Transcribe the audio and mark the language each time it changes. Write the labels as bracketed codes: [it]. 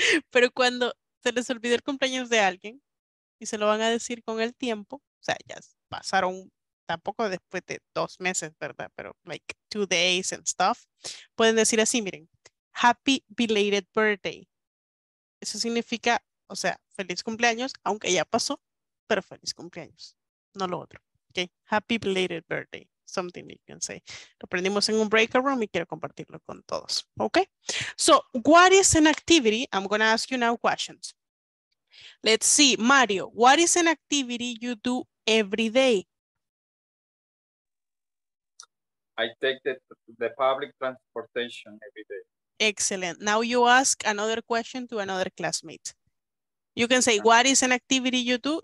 [es] Pero cuando se les olvidó el cumpleaños de alguien y se lo van a decir con el tiempo, o sea, ya pasaron tampoco después de 2 meses, ¿verdad? [en] Pero like 2 days and stuff. [es] Pueden decir así, miren, [en] happy belated birthday. [es] Eso significa, o sea, feliz cumpleaños, aunque ya pasó, pero feliz cumpleaños, no lo otro. [en] Okay, happy belated birthday, something you can say. [es] Lo aprendimos en un breakout room y quiero compartirlo con todos. [en] Okay, so what is an activity? I'm gonna ask you now questions. Let's see, Mario, what is an activity you do every day? I take the public transportation every day. Excellent. Now you ask another question to another classmate. You can say, what is an activity you do?